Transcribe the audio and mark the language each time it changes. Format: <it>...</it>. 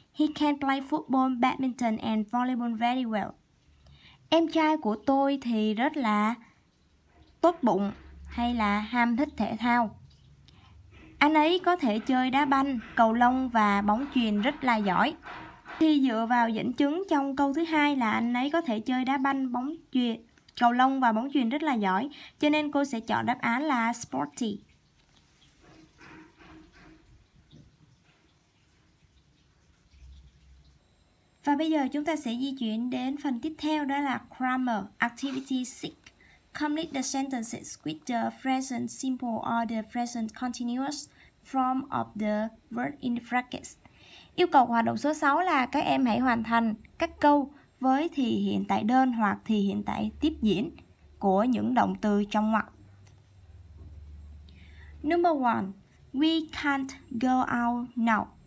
<en>He can play football, badminton and volleyball very well.</en> <vi>Em trai của tôi thì rất là tốt bụng hay là ham thích thể thao. Anh ấy có thể chơi đá banh, cầu lông và bóng chuyền rất là giỏi. Thì dựa vào dẫn chứng trong câu thứ hai là anh ấy có thể chơi đá banh, bóng chuyền, cầu lông và bóng chuyền rất là giỏi, cho nên cô sẽ chọn đáp án là sporty. Và bây giờ chúng ta sẽ di chuyển đến phần tiếp theo, đó là grammar, activity 6.</vi> <en>Complete the sentences with the present simple or the present continuous form of the verb in the brackets.</en> <vi>Yêu cầu hoạt động số 6 là các em hãy hoàn thành các câu với thì hiện tại đơn hoặc thì hiện tại tiếp diễn của những động từ trong ngoặc.</vi> <en>Number 1. We can't go out now.</en>